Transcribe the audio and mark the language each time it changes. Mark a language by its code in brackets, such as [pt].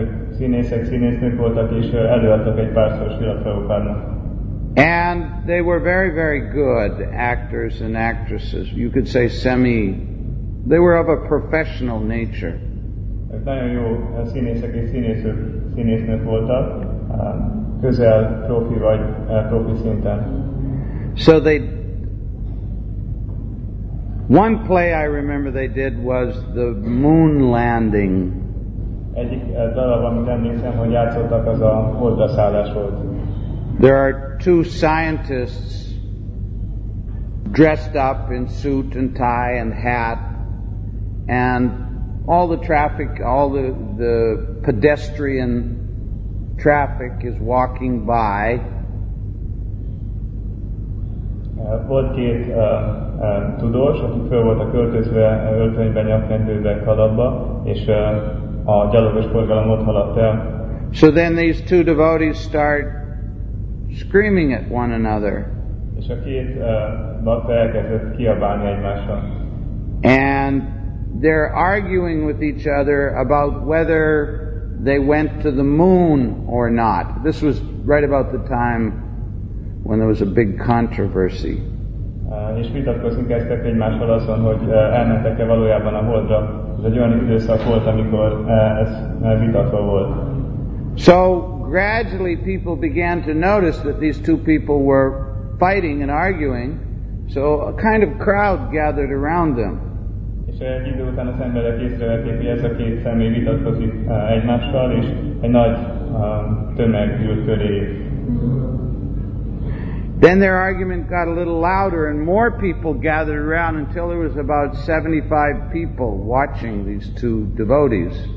[hu] Színészek, színésznők voltak, és előadtak egy párszor Srila Prabhupádnak. [en] And they were very, very good actors and actresses. You could say semi. They were of a professional nature. [hu] Ők nagyon jó színészek és színésznők voltak, közel profi vagy profi szinten. [en] So they, one play I remember they did was the moon landing. [hu] Egyik darab, amit emlékszem, hogy játszottak, az a holdraszállás volt. [en] There are two scientists dressed up in suit and tie and hat, and all the traffic, all the pedestrian traffic is walking by. [hu] Volt két tudós, akik föl voltak költözve öltönyben, nyakkendőben, kalapba, és a gyalogos forgalom ott haladt el. [en] So then these two devotees start screaming at one another. [hu] És a két bakta elkezdett kiabálni egymással. [en] And they're arguing with each other about whether they went to the moon or not. This was right about the time when there was a big controversy. [hu] És vitatkozni kezdtek egymással azon, hogy elmentek-e valójában a Holdra. Ez egy olyan időszak volt, amikor ez vitatva volt. [en] So gradually people began to notice that these two people were fighting and arguing, so a kind of crowd gathered around them. [hu] És egy idő után az emberek észrevették, hogy ez a két személy vitatkozik egymással, és egy nagy tömeg gyűlt köréjük. [en] Then their argument got a little louder and more people gathered around until there was about 75 people watching these two devotees.